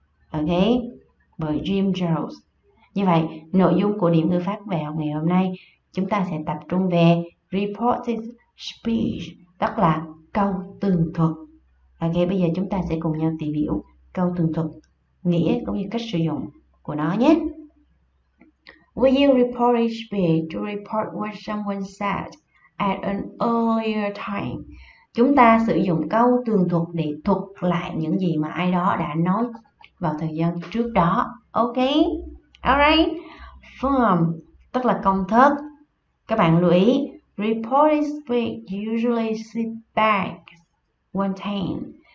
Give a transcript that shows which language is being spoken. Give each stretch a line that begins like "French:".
Vietnamese: Ok, bởi Jim Jones. Như vậy nội dung của điểm ngữ pháp vào ngày hôm nay chúng ta sẽ tập trung về reported speech, tức là câu tường thuật. Ok, bây giờ chúng ta sẽ cùng nhau tìm hiểu câu tường thuật, nghĩa cũng như cách sử dụng của nó nhé.
English: Will you report a speech to report what someone said at an earlier time?
Vietnamese: Chúng ta sử dụng câu tường thuật để thuật lại những gì mà ai đó đã nói vào thời gian trước đó. Ok? Alright. Form, tức là công thức. Các bạn lưu ý,
English: report a speech usually sit back one time.